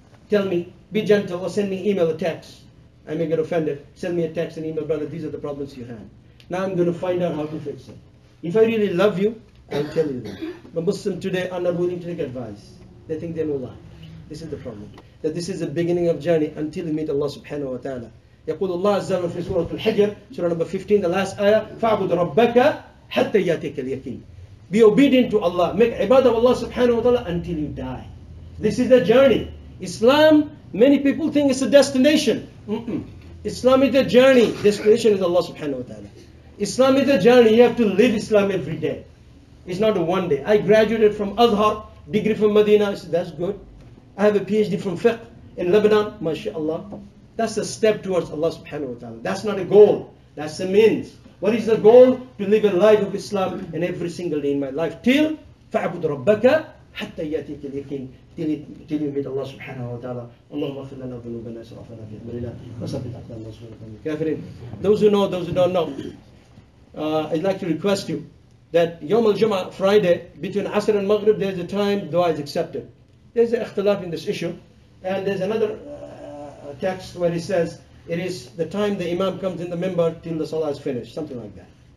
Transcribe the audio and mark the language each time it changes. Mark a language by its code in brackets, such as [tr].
[en] Tell me, be gentle or send me email or text. I may get offended. Send me a text and email, brother, these are the problems you have. Now I'm going to find out how to fix it. If I really love you, I'll tell you that. But Muslims today are not willing to take advice. They think they know life. This is the problem. That this is the beginning of journey until we meet Allah subhanahu wa ta'ala. [ar] يقول الله عز وجل في سورة الحجر, [en] Surah number 15, the last ayah, [ar] فَعْبُدْ رَبَّكَ حَتَّى يَأْتِيكَ الْيَقِينَ. [en] Be obedient to Allah. Make ibadah of Allah subhanahu wa ta'ala until you die. This is the journey. Islam, many people think it's a destination. Mm-mm. Islam is the journey. Destination is Allah subhanahu wa ta'ala. Islam is a journey. You have to live Islam every day. It's not a one day. I graduated from Azhar, degree from Medina. I said, that's good. I have a PhD from fiqh in Lebanon, mashallah. That's a step towards Allah subhanahu wa ta'ala. That's not a goal, that's a means. What is the goal? To live a life of Islam in every single day in my life. Till [ar] فَعَبُدْ رَبَّكَ حَتَّى يَأْتِيكَ الْيَقِينِ. [en] Till you meet Allah subhanahu wa ta'ala. [ar] Allahumma اغْفِرْ لَنَا ذُنُوبَنَا وَاسْرَفْ عَنَّا بِأَمْرِنَا وَثَبِّتْ أَقْدَامَنَا وَانصُرْنَا عَلَى الْكَافِرِينَ. [en] Those who know, those who don't know, I'd like to request you that Yawm al-Jum'ah, Friday, between Asr and Maghrib, there's a time dua is accepted. There's an ikhtilaf in this issue. And there's another text where it says, it is the time the imam comes in the minbar till the salah is finished, something like that.